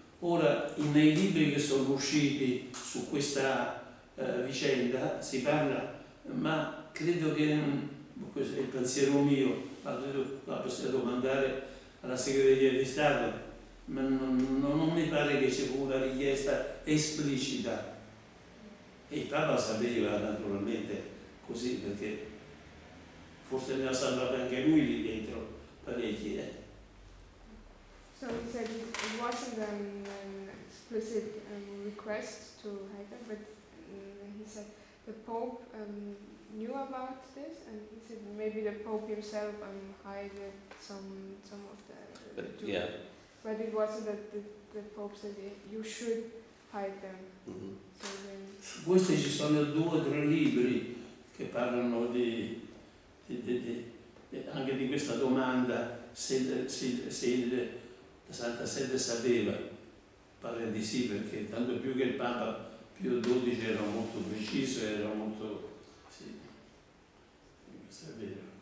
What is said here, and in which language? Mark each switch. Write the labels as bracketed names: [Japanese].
[Italian] Ora, nei libri che sono usciti su questa vicenda si parla, ma credo che, questo è il pensiero mio, ma credo la possiamo domandare alla Segreteria di Stato, ma non mi pare che c'è una richiesta esplicita. E il Papa sapeva naturalmente così, perché forse ne ha salvato anche lui lì dentro parecchi. [English] So he said it wasn't an explicit request to hide them, but he said the Pope knew about this, and he said maybe the Pope himself hide some of the Jews. Yeah. But it wasn't that the Pope said you should hide them. Mm-hmm. [Italian] Questi ci sono due o tre libri che parlano di anche di questa domanda, se la Santa Sede sapeva, pare di sì, perché tanto più che il Papa Pio XII era molto preciso, era molto, sì, questo è vero.